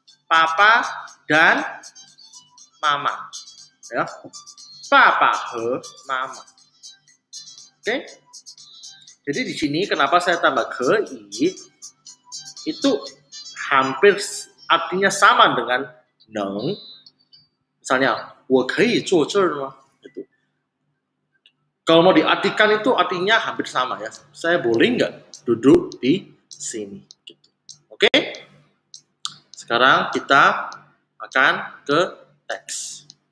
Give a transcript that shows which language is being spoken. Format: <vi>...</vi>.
<id>Papa dan mama. Ya. Papa he mama. Oke? Okay? Jadi di sini kenapa saya tambah ke i itu hampir artinya sama dengan neng.</id> <zh>Misalnya, 我可以坐这儿吗?</zh> <id>Itu. Kalau mau diartikan itu artinya hampir sama ya. Saya boleh nggak duduk di sini? Gitu. Oke? Sekarang kita akan ke teks.</id>